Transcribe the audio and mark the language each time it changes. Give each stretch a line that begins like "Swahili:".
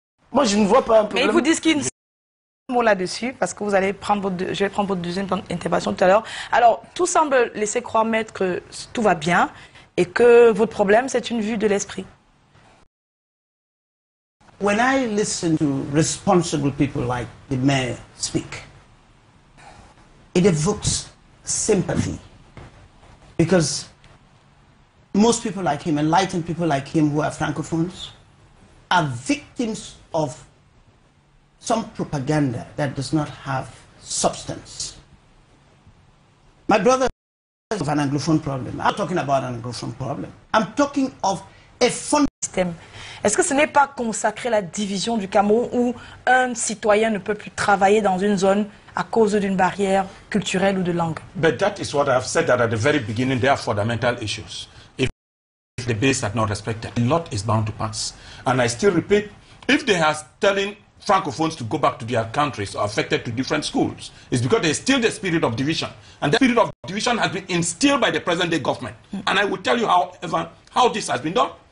French: Moi, je ne vois pas un problème. Mais ils vous disent qu'ils mot là-dessus, parce que vous allez prendre je vais prendre votre deuxième intervention tout à l'heure. Alors, tout semble laisser croire, maître, que tout va bien et que votre problème, c'est une vue de l'esprit.
English: When I listen to responsible people like the mayor speak, it evokes sympathy. Because most people like him, enlightened people like him who are francophones, are victims of some propaganda that does not have substance. My brother has an anglophone problem. I'm not talking about an anglophone problem. I'm talking of a fund system.
French: Est-ce que ce n'est pas consacré la division du Cameroun où un citoyen ne peut plus travailler dans une zone à cause d'une barrière culturelle ou de langue?
English: But that is what I have said, that at the very beginning there are fundamental issues. If the base are not respected, a lot is bound to pass. And I still repeat, if they are telling francophones to go back to their countries or affected to different schools, it's because there's still the spirit of division. And that spirit of division has been instilled by the present day government. And I will tell you how this has been done.